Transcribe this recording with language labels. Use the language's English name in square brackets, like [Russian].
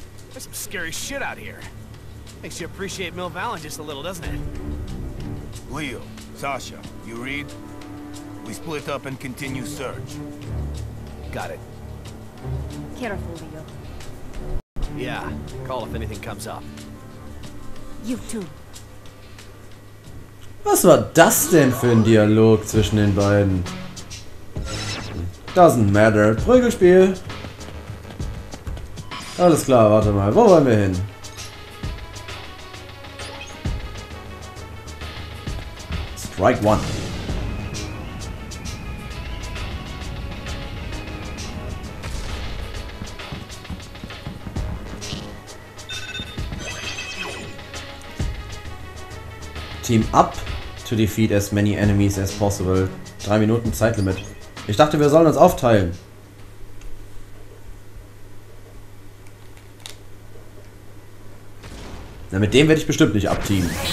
[English] There's some scary shit out here. Makes you appreciate Mill Valen just a little, doesn't it? Leo, Sasha, you read? We split up and continue search. Got it. Careful, Leo. Yeah, call if anything comes up. You too. [German] Was war das denn für ein Dialog zwischen den beiden? [English] Doesn't matter. Prügelspiel. [German] Alles klar, warte mal. Wo wollen wir hin? [English] Strike one. Team up to defeat as many enemies as possible. [German] 3 Minuten Zeitlimit. Ich dachte, wir sollen uns aufteilen. Na, mit dem werde ich bestimmt nicht abteamen.